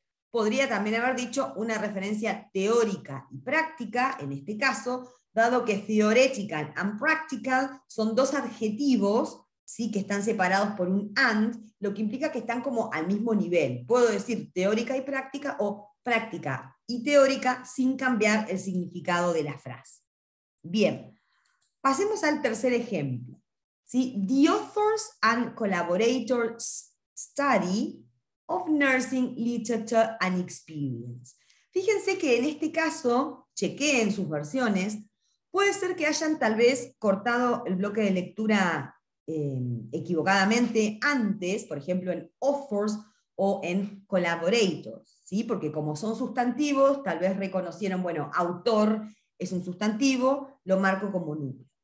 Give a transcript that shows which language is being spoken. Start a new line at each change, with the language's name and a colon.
Spanish: Podría también haber dicho una referencia teórica y práctica, en este caso, dado que
English: theoretical and practical
Spanish: son dos adjetivos, ¿sí?, que están separados por un and, lo que implica que están como al mismo nivel. Puedo decir teórica y práctica, o práctica y teórica, sin cambiar el significado de la frase. Bien, pasemos al tercer ejemplo. ¿Sí?
English: The authors and collaborators study of nursing literature and experience.
Spanish: Fíjense que en este caso, chequeen sus versiones, puede ser que hayan tal vez cortado el bloque de lectura equivocadamente antes, por ejemplo, en authors o en collaborators, ¿sí? Porque como son sustantivos, tal vez reconocieron, bueno, autor es un sustantivo, lo marco como núcleo.